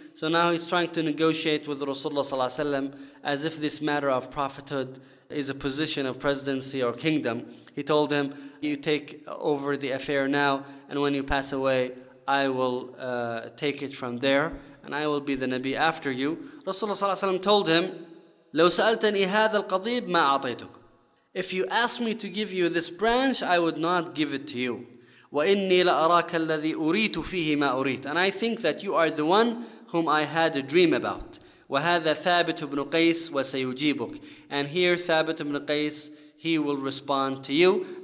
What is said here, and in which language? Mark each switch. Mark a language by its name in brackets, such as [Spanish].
[English] So now he's trying to negotiate with Rasulullah [Arabic] صلى الله عليه وسلم [English] as if this matter of prophethood is a position of presidency or kingdom. He told him, you take over the affair now, and when you pass away, I will take it from there, and I will be the Nabi after you. [Arabic] Rasulullah صلى الله عليه وسلم [English] told him, [Arabic] لو سألتني هذا القضيب ما أعطيتك. [English] If you ask me to give you this branch, I would not give it to you. [Arabic] وإني لأراك الذي أريت فيه ما أريت. [English] And I think that you are the one whom I had a dream about. [Arabic] وَهَذَا ثَابِتُ بْنُ قَيْسِ وَسَيُجِيبُكُ. [English] And here ثابت بن قيس, he will respond to you.